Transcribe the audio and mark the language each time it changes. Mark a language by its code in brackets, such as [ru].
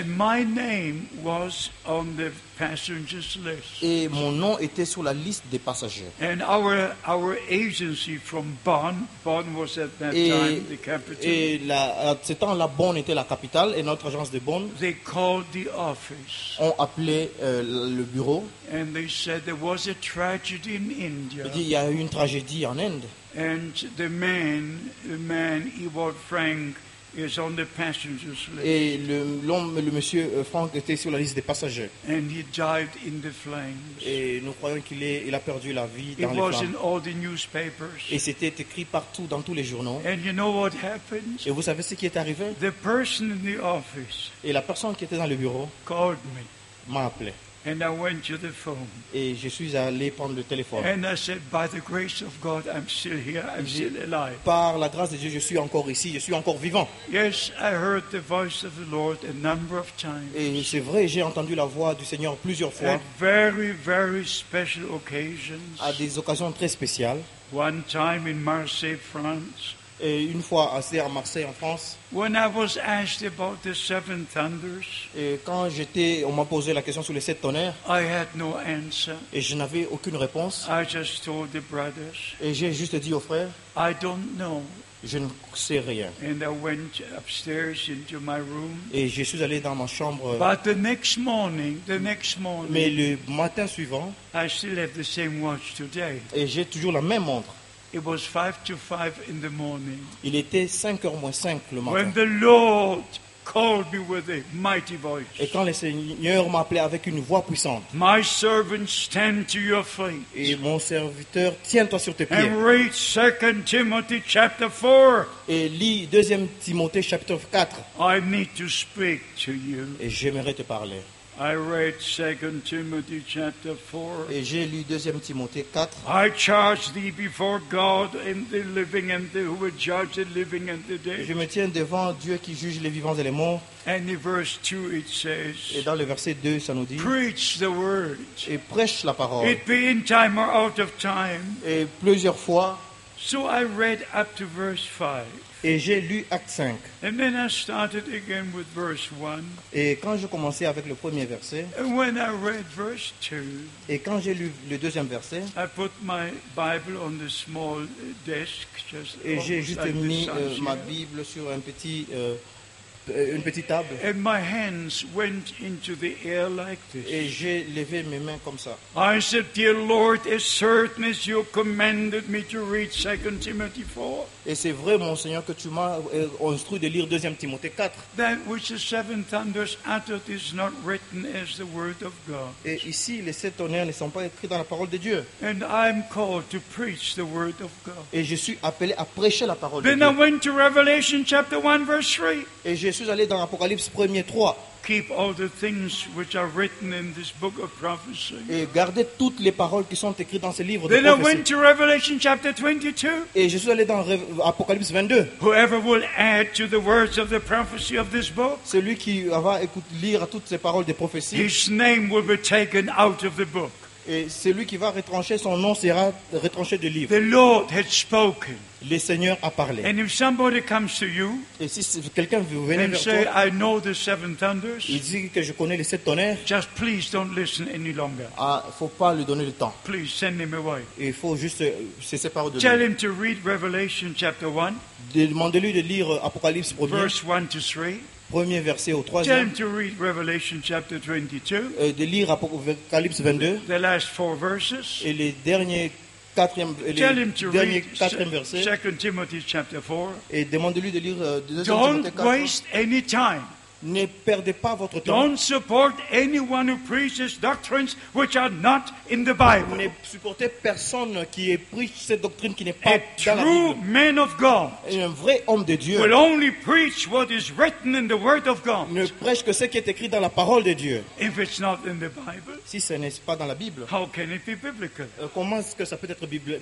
[en] And my name was on the passengers list. [fr] Et mon nom était sur la liste des passagers. [en] And our agency from Bonn was at that time the capital. [fr] Et là, à ce temps-là, Bonn était la capitale, et notre agence de Bonn, [en] they called the office, [fr] ont appelé le bureau. [en] And they said there was a tragedy in India. [fr] Il dit, il y a eu une tragédie en Inde. [en] And the man, Ewald Frank, is on the passengers list. [fr] Et le monsieur Frank était sur la liste des passagers. [en] And he died in the flames. [fr] Et nous croyons qu'il il a perdu la vie dans [en] it [fr] les [en] was [fr] flammes. [en] In all the newspapers. [fr] Et c'était écrit partout dans tous les journaux. [en] And you know what happened? [fr] Et vous savez ce qui est arrivé? [en] The person in the office, [fr] et la personne qui était dans le bureau, [en] called me, [fr] m'a appelé. [en] And I went to the phone. [fr] Et je suis allé prendre le téléphone. [en] And I said, by the grace of God, I'm still here. I'm still alive. [fr] Par la grâce de Dieu, je suis encore ici. Je suis encore vivant. [en] Yes, I heard the voice of the Lord a number of times. [fr] Et c'est vrai, j'ai entendu la voix du Seigneur plusieurs fois. [en] At very, very special occasions. [fr] À des occasions très spéciales. [en] One time in Marseille, France. [fr] Et une fois assis à Marseille, en France, [en] when I was asked about the seven thunders, [fr] et quand on m'a posé la question sur les sept tonnerres, [en] I had no answer. [fr] Et je n'avais aucune réponse. [en] I just told the brothers, [fr] et j'ai juste dit aux frères, [en] I don't know. [fr] Je ne sais rien. [en] And I went upstairs into my room. [fr] Et je suis allé dans ma chambre. [en] But the next morning, [fr] mais le matin suivant, [en] I still have the same watch today. [fr] Et j'ai toujours la même montre. [en] It was 5 to 5 in the morning. [fr] Il était 5h05 le matin. [en] When the Lord called me with a mighty voice. [fr] Et quand le Seigneur m'a appelé avec une voix puissante. [en] My servant, stand to your feet. [fr] Et mon serviteur, tiens-toi sur tes pieds. [en] And read 2 Timothy chapter 4. [fr] Et lis 2 Timothée chapitre 4. [en] I need to speak to you. [fr] Et j'aimerais te parler. [en] I read 2 Timothy chapter 4. [fr] Et j'ai lu 2 Timothée 4. [en] I charge thee before God and the living and the who will judge the living and the dead. [fr] Je me tiens devant Dieu qui juge les vivants et les morts. [en] And in verse 2 it says, [fr] et dans le verset 2 ça nous dit, [en] preach the word. [fr] Et prêche la parole. [en] It be in time or out of time. [fr] Et plusieurs fois. [en] So I read up to verse 5. [fr] Et j'ai lu Acte 5. [en] And then I started again with verse 1. [fr] Et quand je commençais avec le premier verset, [en] and when I read verse 2, [fr] et quand j'ai lu le deuxième verset, [en] I put my Bible on the small desk, just [fr] et j'ai juste mis ma Bible sur un petit, une petite table. [en] And my hands went into the air like this. [fr] Et j'ai levé mes mains comme ça. [en] I said, dear Lord, as certain as you commanded me to read 2 Timothy 4. [fr] Et c'est vrai, mon Seigneur, que tu m'as instruit de lire 2 Timothée 4. [en] That which the seven thunders uttered is not written as the word of God. [fr] Et ici, les sept tonnerres ne sont pas écrits dans la parole de Dieu. [en] And I'm called to preach the word of God. [fr] Et je suis appelé à prêcher la parole [en] then [fr] de Dieu. [en] Then I went to Revelation chapter 1 verse 3. [fr] Et je suis allé dans Apocalypse 1er 3. [en] Keep all the things which are written in this book of prophecy. [fr] Et gardez toutes les paroles qui sont écrites dans ce livre [en] then [fr] de prophétie. [en] I went to Revelation chapter 22. [fr] Et je suis allé dans Apocalypse 22. [en] Whoever will add to the words of the prophecy of this book. [fr] Celui qui va écouter lire toutes ces paroles de prophétie. [en] His name will be taken out of the book. [fr] Et celui qui va retrancher son nom sera retranché du livre. [en] The Lord had spoken. [fr] Le Seigneur a parlé. [en] And if somebody comes to you, [fr] et si quelqu'un veut venir vers [en] say, [fr] toi, [en] I know the seven thunders, [fr] il dit que je connais les sept tonnerres, [en] just please don't listen any longer. [fr] Ah, faut pas lui donner le temps. [en] Please send him away. [fr] Il faut juste cesser par de lui. [en] Tell him to read Revelation chapter 1. [fr] Demandez-lui de lire Apocalypse 1. [en] Verse 1 to 3. [fr] Premier verset au troisième. [en] Tell him to read Revelation chapter 22. [fr] De lire Apocalypse 22. [en] The last four verses. [fr] Et les derniers quatrième. [en] Tell him to [fr] derniers [en] read [fr] quatrième verset. [en] 2 Timothy chapter 4. [fr] Et demandez-lui de lire 2 [en] Timothy 4. Don't waste any time. [fr] Ne perdez pas votre temps. [en] Don't support anyone who preaches doctrines which are not in the Bible. [fr] Ne supportez personne qui prêche cette doctrine qui n'est pas a dans la Bible. [en] True man of God. [fr] Un vrai homme de Dieu. [en] Will only preach what is written in the Word of God. [fr] Ne prêche que ce qui est écrit dans la parole de Dieu. [en] If it's not in the Bible. [fr] Si ce n'est pas dans la Bible. [en] How can it be biblical? [fr] Comment est-ce que ça peut être biblique?